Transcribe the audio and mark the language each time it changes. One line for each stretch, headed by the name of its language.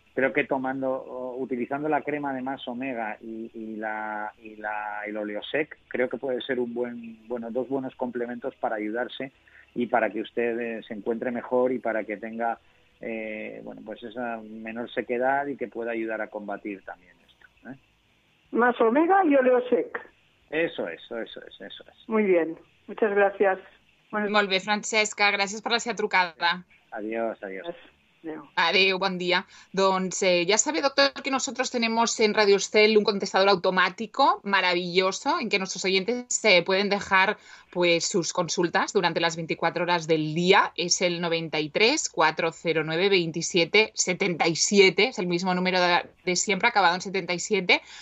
Spanish: Creo que tomando utilizando la crema de Más Omega y el Oleosec, creo que puede ser dos buenos complementos para ayudarse y para que usted se encuentre mejor y para que tenga bueno, pues esa menor sequedad y que pueda ayudar a combatir también esto, ¿eh? Más omega y oleosec. Eso es. Muy bien, muchas gracias. Bueno.
Catalan: Molt bé, Francesca, gràcies per la seva trucada.
Spanish: Adiós.
Catalan: Adéu, bon dia. Doncs ja
Spanish: sabe, doctor, que nosotros tenemos en Radio Estel un contestador automático maravilloso en que nuestros oyentes se pueden dejar pues sus consultas durante las 24 horas del día. Es el 93-409-2777, es el mismo número de siempre, acabado en 77.